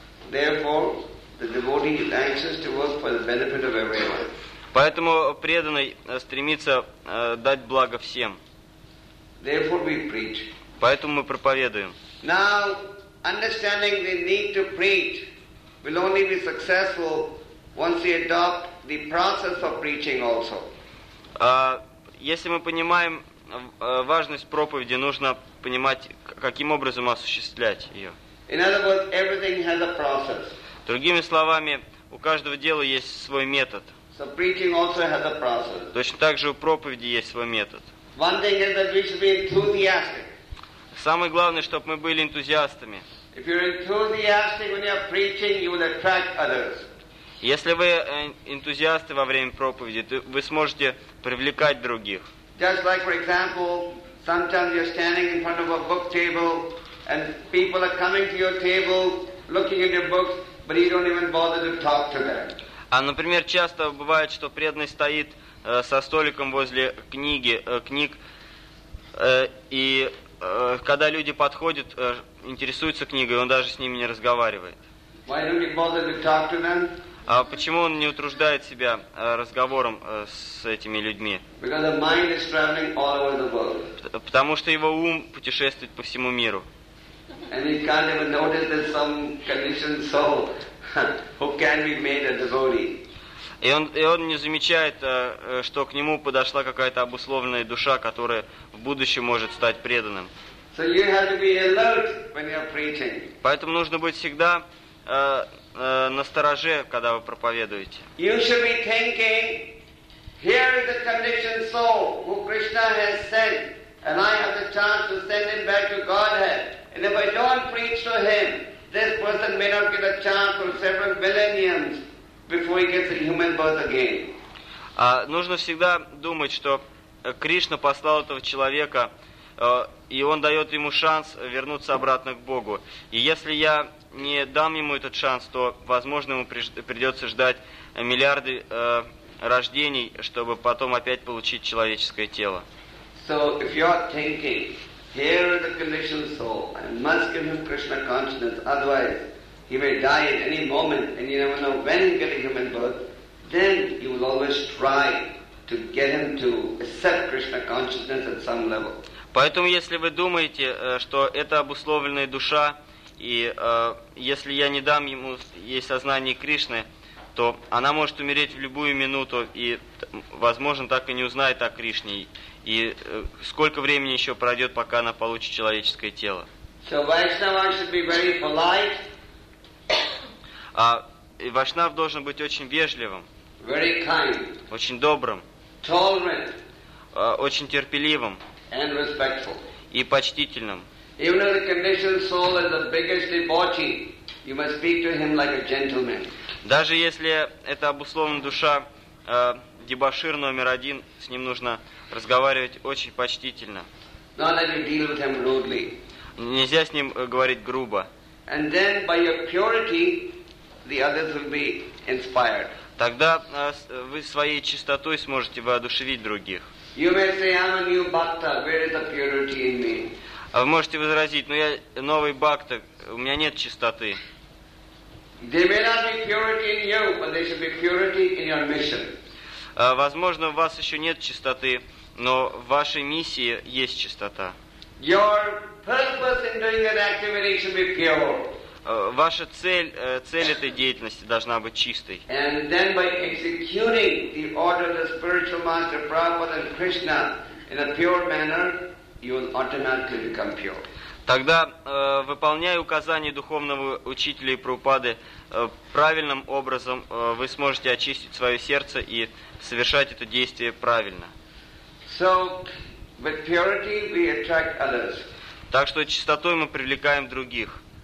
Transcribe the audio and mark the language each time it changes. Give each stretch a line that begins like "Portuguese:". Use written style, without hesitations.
English: Therefore, the devotee is anxious to work for the benefit of everyone.
Russian: Поэтому преданный стремится дать благо всем.
English: Therefore, we preach.
Russian: Поэтому мы проповедуем.
English: Now, understanding the need to preach will only be successful once we adopt the process of preaching also.
Russian: Если мы понимаем важность проповеди, нужно понимать, каким образом осуществлять ее.
English: In other words, everything has a process.
Russian: Другими словами, у каждого дела есть свой метод.
English: So preaching also has a process.
Russian: Точно так же у проповеди есть свой метод.
English: One thing is that we should be enthusiastic.
Russian: Самое главное, чтобы мы были энтузиастами.
English: If you're enthusiastic when you're preaching, you will attract others.
Russian: Если вы энтузиасты во время проповеди, то вы сможете привлекать других.
English: Just like, for example, sometimes you're standing in front of a book table and people are coming to your table looking at your books, but you don't even bother to talk to them.
Russian: А, например, часто бывает, что преданный стоит со столиком возле книги, книг, и когда люди подходят, интересуются книгой, он даже с ними не разговаривает.
English: Why don't you bother to talk to them?
Russian: А почему он не утруждает себя разговором с этими людьми?
English: Because the mind is traveling all over the world.
Russian: Потому что его ум путешествует по всему миру.
English: And he can't even notice that some conditioned soul who can be made a devotee.
Russian: И он не замечает, что к нему подошла какая-то обусловленная душа, которая в будущем может стать преданным.
English: So you have to be alert when you're preaching.
Russian: Поэтому нужно быть всегда на стороже, когда вы проповедуете.
English: You should be thinking, here is a conditioned soul who Krishna has sent, and I have the chance to send him back to Godhead. And if I don't preach to him, this person may not get a chance for several millenniums before he gets a human birth again.
Russian: Нужно всегда думать, что Кришна послал этого человека, и он дает ему шанс вернуться обратно к Богу. И если я не дам ему этот шанс, то, возможно, ему придется ждать миллиарды рождений, чтобы потом опять получить человеческое тело.
English: So, if you're thinking, here is a conditioned soul, I must give him Krishna consciousness, otherwise he may die at any moment, and you never know when he'll get a human birth, then you will always try to get him to accept Krishna consciousness at some level.
Russian: Поэтому, если вы думаете, что это обусловленная душа, и если я не дам ему ей сознание Кришны, то она может умереть в любую минуту, и, возможно, так и не узнает о Кришне. И сколько времени еще пройдет, пока она получит человеческое тело?
English: So Vaishnava should be very polite.
Russian: И Вайшнав должен быть очень вежливым.
English: Very kind.
Russian: Очень добрым.
English: Tolerant.
Russian: Очень терпеливым.
English: And respectful.
Russian: И почтительным.
English: Even if the conditioned soul is the biggest debauchee, you must speak to him like a gentleman.
Russian: Даже если это обусловленная душа дебошир номер один, с ним нужно разговаривать очень почтительно.
English: Not that you deal with him rudely.
Russian: Нельзя с ним говорить грубо.
English: And then by your purity, the others will be inspired.
Russian: Тогда вы своей чистотой сможете воодушевить других.
English: You may say, I'm a new bhakta. Where is the purity in me?
Russian: А вы можете возразить, но я новый бхакта, у меня нет чистоты.
English: There may not be purity in you, but there should be purity in your mission.
Russian: Возможно, у вас еще нет чистоты, но в вашей миссии есть чистота.
English: Your purpose in doing that activity should be pure.
Russian: Ваша цель этой деятельности должна быть чистой.
English: And then by executing the order of the spiritual master Prabhupada and Krishna in a pure manner, you will automatically become pure.
Russian: Тогда, выполняя указания духовного учителя и Прабхупады правильным образом, вы сможете очистить свое сердце и совершать это действие правильно.
English: So, with purity we attract others.
Russian: Так что чистотой мы привлекаем других.